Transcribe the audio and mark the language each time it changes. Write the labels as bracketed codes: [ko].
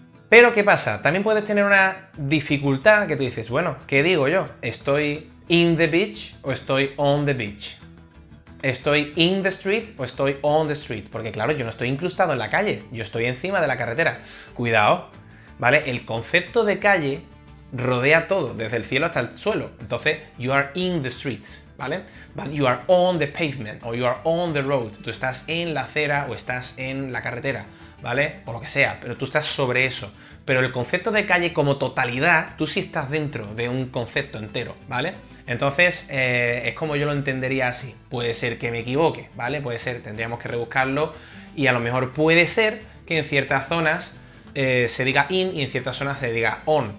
[es] Pero, ¿qué pasa? También puedes tener una dificultad que tú dices, bueno, ¿qué digo yo? ¿Estoy [en] in the beach [es] o estoy [en] on the beach? [es] estoy [en] in the street [es] o estoy [en] on the street. [es] Porque claro, yo no estoy incrustado en la calle, yo estoy encima de la carretera. Cuidado, ¿vale? El concepto de calle rodea todo, desde el cielo hasta el suelo. Entonces, [en] you are in the streets, [es] ¿vale? [en] But you are on the pavement [es] o [en] you are on the road. [es] Tú estás en la acera o estás en la carretera, ¿vale? O lo que sea, pero tú estás sobre eso. Pero el concepto de calle como totalidad, tú sí estás dentro de un concepto entero, ¿vale? Entonces, es como yo lo entendería así. Puede ser que me equivoque, ¿vale? Puede ser, tendríamos que rebuscarlo. Y a lo mejor puede ser que en ciertas zonas se diga in y en ciertas zonas se diga on.